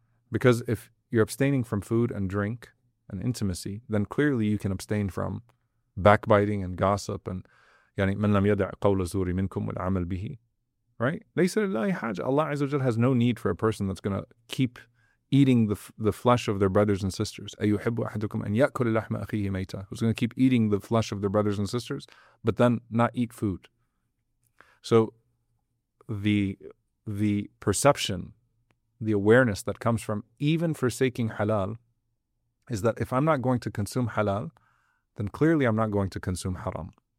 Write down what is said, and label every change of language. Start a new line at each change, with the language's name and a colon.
English: Because if you're abstaining from food and drink and intimacy, then clearly you can abstain from backbiting and gossip and
Arabic: يعني من لم يدع قول الزور منكم والعمل به. Right? ليس لله حاجة.
English: Allah Azza wa Jal has no need for a person that's going to keep eating the flesh of their brothers and sisters.
Arabic: أيحب أحدكم أن يأكل لحم أخيه ميتا.
English: Who's going to keep eating the flesh of their brothers and sisters, but then not eat food. So the perception, the awareness that comes from even forsaking halal is that if I'm not going to consume halal, then clearly I'm not going to consume haram.